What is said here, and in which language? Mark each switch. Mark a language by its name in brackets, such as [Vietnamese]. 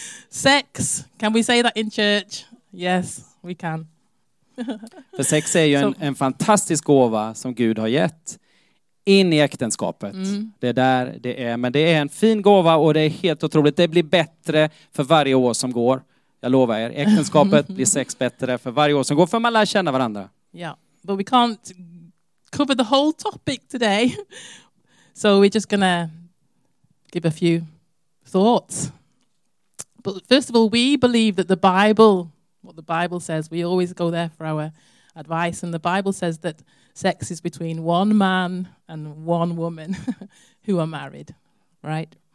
[English] Sex, can we say that in church? Yes, we can. [Swedish] För sex är ju en fantastisk gåva som Gud har gett in i äktenskapet. Mm. Det är där det är, men det är en fin gåva och det är helt otroligt. Det blir bättre för varje år som går. Jag lovar er, äktenskapet blir sex bättre för varje år som går, för man lär känna varandra. [English] Yeah, but we can't cover the whole topic today. So we're just gonna give a few thoughts. But first of all, we believe that what the Bible says, we always go there for our advice, and the Bible says that sex is between one man and one woman who are married, right?